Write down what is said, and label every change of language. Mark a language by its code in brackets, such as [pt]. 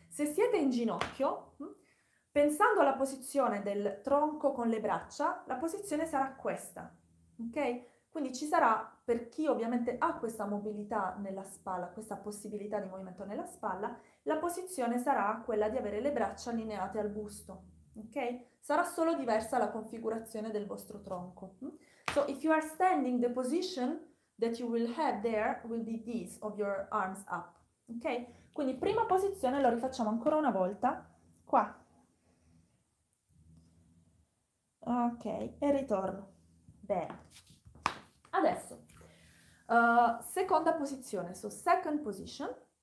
[it] Se siete in ginocchio, pensando alla posizione del tronco con le braccia, la posizione sarà questa. Ok? Quindi ci sarà, per chi ovviamente ha questa mobilità nella spalla, questa possibilità di movimento nella spalla, la posizione sarà quella di avere le braccia allineate al busto. Ok? Sarà solo diversa la configurazione del vostro tronco. [en] So if you are standing, the position that you will have there will be this of your arms up. Ok? [it] Quindi prima posizione, lo rifacciamo ancora una volta, qua. Ok, e ritorno. Bene. Adesso, seconda posizione, [en] so second position.